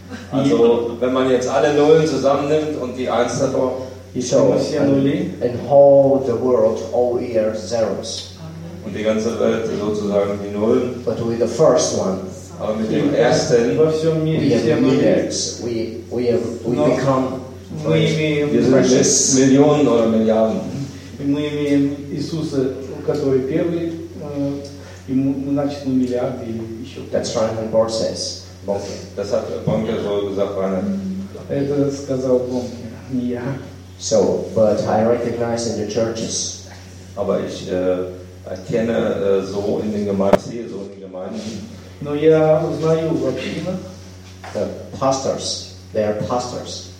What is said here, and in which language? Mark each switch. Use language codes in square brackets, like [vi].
[de] Also wenn man jetzt alle Nullen zusammennimmt und die Eins davor, [en] and all the world all we are zeros. [de] Und die ganze Welt sozusagen die Nullen. [en] But with the first one. [de] Aber mit dem ersten. [ru] Во всем мире все [en] millions. We become. [ru] Мы имеем миллион или миллиард. И мы имеем Иисуса, который первый, и мы начали миллиарды или еще. [en] That's Reinhard Bonke says. [de] Das hat Bonke so gesagt. [ru] Это сказал Бонке, не я. [en] So, but I recognize in the churches. [de] Aber ich erkenne so in den Gemeinden, so in den Gemeinden. [ru] Но я узнаю в общинах. [en] The pastors, they are pastors.